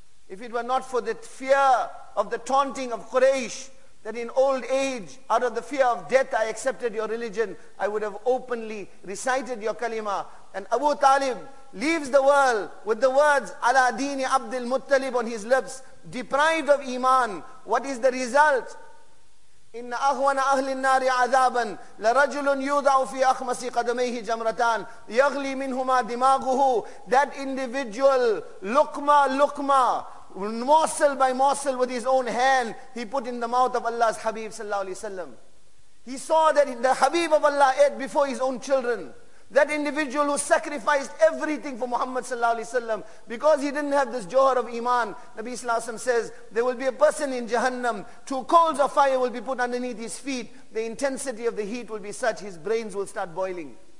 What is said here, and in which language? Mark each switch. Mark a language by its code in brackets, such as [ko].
[en] If it were not for the fear of the taunting of Quraysh, that in old age, out of the fear of death, I accepted your religion, I would have openly recited your kalima. And Abu Talib leaves the world with the words, [ar] Ala Dini Abdul Muttalib, [en] on his lips, deprived of iman. What is the result? [ar] إن أهون أهل النار عذابا لرجل يوضع في أخمص قدميه جمرتان يغلي منهما دماغه. [en] That individual, [ar] لقمة لقمة, [en] morsel by morsel with his own hand, he put in the mouth of Allah's Habib sallallahu alayhi wa sallam. He saw that the Habib of Allah ate before his own children. That individual who sacrificed everything for Muhammad sallallahu alayhi wa sallam, because he didn't have this johar of iman, Nabi sallallahu alayhi wa sallam says, there will be a person in Jahannam, two coals of fire will be put underneath his feet, the intensity of the heat will be such, his brains will start boiling.